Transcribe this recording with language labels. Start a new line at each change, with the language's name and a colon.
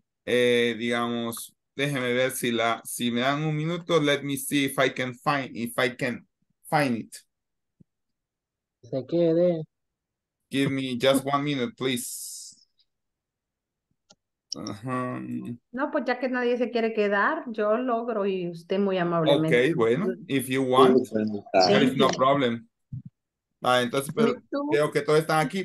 Spanish: digamos, déjeme ver si la, si me dan un minuto,
English: let me see if I can find, if I can find it.
Spanish: Se quede.
English: Give me just 1 minute, please. Uh-huh.
Spanish: No, pues ya que nadie se quiere quedar, yo logro y usted muy amablemente.
English: Okay, bueno, if you want, there is no problem.
Spanish: Ah, entonces, pero veo que todos están aquí.